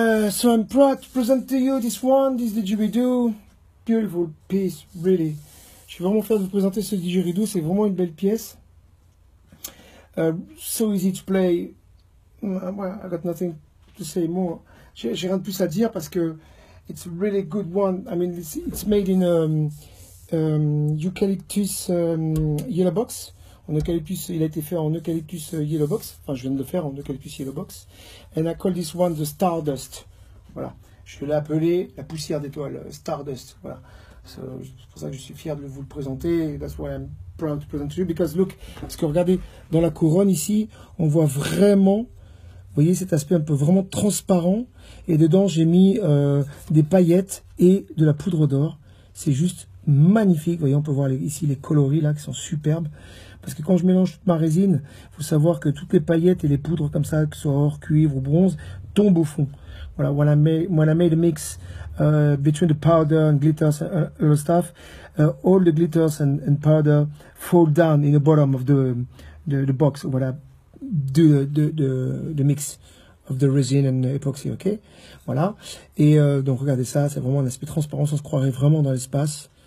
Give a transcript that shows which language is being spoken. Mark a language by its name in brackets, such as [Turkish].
[English] So I'm proud to present to you this one, this didgeridoo. Beautiful piece, really. [French] Je suis vraiment fier de vous présenter ce didgeridoo, c'est vraiment une belle pièce. [English] So easy to play. Well, I got nothing to say more. [French] J'ai rien de plus à dire parce que [English] it's a really good one. I mean, it's made in eucalyptus yellow box. [French] En eucalyptus, il a été fait en eucalyptus yellow box. Enfin, je viens de le faire en eucalyptus yellow box. [English] And I call this one the stardust. [French] Voilà, je l'ai appelé la poussière d'étoile, Stardust. Voilà, c'est pour ça que je suis fier de vous le présenter. [English] That's why I'm proud to present to you. Because look, [French] parce que regardez, dans la couronne ici, on voit vraiment, vous voyez cet aspect un peu vraiment transparent. Et dedans, j'ai mis des paillettes et de la poudre d'or. C'est juste magnifique. Vous voyez, on peut voir ici les coloris là qui sont superbes. Parce que quand je mélange toute ma résine, il faut savoir que toutes les paillettes et les poudres comme ça, que ce soit or, cuivre ou bronze, tombent au fond. [English] Voilà, when I made a mix between the powder and glitters and other stuff, all the glitters and powder fall down in the bottom of the box when I do the mix of the resin and the epoxy, ok? [French] Voilà, et donc regardez ça, c'est vraiment un aspect transparent, on se croirait vraiment dans l'espace.